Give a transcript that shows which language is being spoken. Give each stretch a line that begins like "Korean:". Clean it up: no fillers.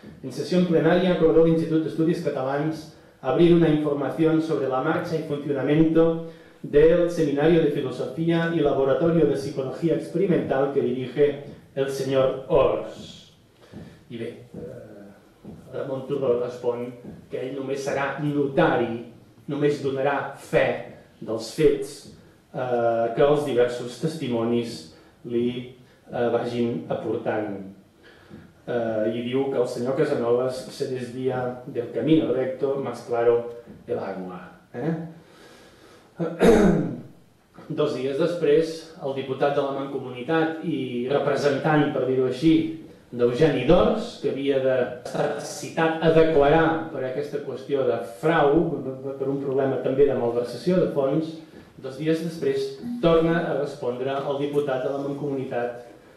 Spanish: En sesión plenaria acordó el Instituto de Estudios Catalans abrir una información sobre la marcha y funcionamiento del Seminario de Filosofía y Laboratorio de Psicología Experimental que dirige el señor Ors.
Catalan: I bé, Ramon Turró respon que ell només serà notari, només donarà fe dels fets que els diversos testimonis li vagin aportant. I diu que el senyor Casanovas
Spanish: se desvia del camino recto más claro el agua.
Catalan: Dos dies després, el diputat de la Mancomunitat i representant, per dir-ho així, d'Eugeni d'Ors, que havia d'estar citat a declarar per aquesta qüestió de frau, per un problema també de malversació de fons, dos dies després torna a respondre el diputat de la Mancomunitat,